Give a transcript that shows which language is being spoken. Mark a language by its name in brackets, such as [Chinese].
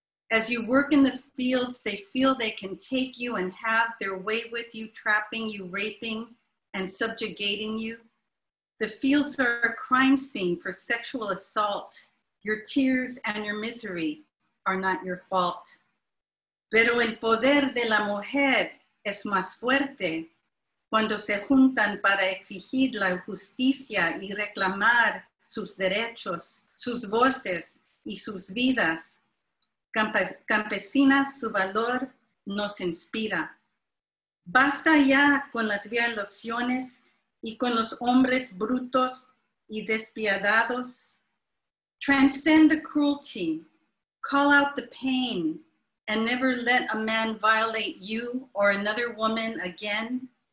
[English] As you work in the fields, they feel they can take you and have their way with you, trapping you, raping, and subjugating you. The fields are a crime scene for sexual assault. Your tears and your misery are not your fault. [Spanish] Pero el poder de la mujer es más fuerte cuando se juntan para exigir la justicia y reclamar sus derechos, sus voces y sus vidas. Campesinas, su valor nos inspira. Basta ya con las violaciones y con los hombres brutos y despiadados. [English] Transcend the cruelty, call out the pain, and never let a man violate you or another woman again.